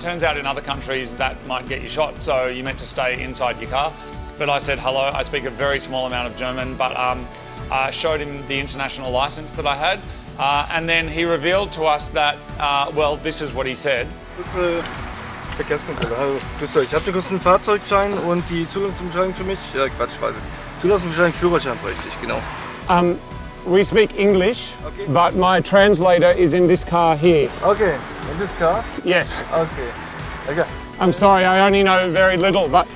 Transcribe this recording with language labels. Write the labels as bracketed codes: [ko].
[en] Turns out in other countries that might get you shot, so you're meant to stay inside your car. But I said hello. I speak a very small amount of German, but I showed him the international license that I had. And then he revealed to us that, well, this is what he said. [de] Verkehrskontrolle. Hallo, grüß euch. Habt ihr kurz einen Fahrzeugschein und die Zulassungsbescheinigung für mich? Ja, Quatsch, falsch. Zulassungsbescheinigung, Führerschein, richtig, genau. [en] We speak English, okay, but my translator is in this car here. Okay, in this car? Yes. Okay. I'm sorry, I only know very little, but...